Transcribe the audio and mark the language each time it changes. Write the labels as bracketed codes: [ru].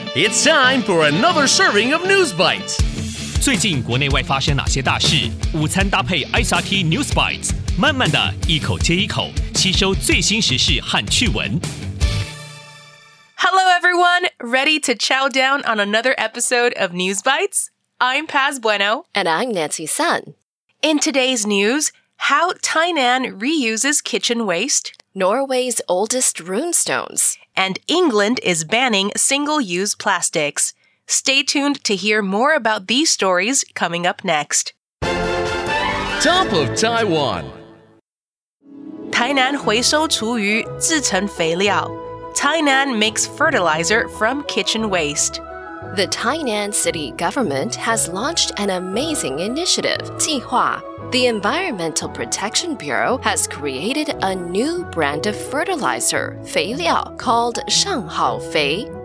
[en] It's time for another serving of News Bites. [zh] 最近国内外发生哪些大事？午餐搭配 SRT News Bites， 慢慢的一口接一口，吸收最新时事和趣闻。 [en] Hello everyone, ready to chow down on another episode of News Bites? I'm Paz Bueno. And I'm Nancy Sun. In today's news, how Tainan reuses kitchen waste, Norway's oldest runestones, and England is banning single-use plastics. Stay tuned to hear more about these stories coming up next. Top of Taiwan. [zh] 台南回收厨余製成肥料。 [en] Tainan makes fertilizer from kitchen waste. The Tainan City Government has launched an amazing initiative, 计划. The Environmental Protection Bureau has created a new brand of fertilizer, 肥料, called Shang Hao Fei.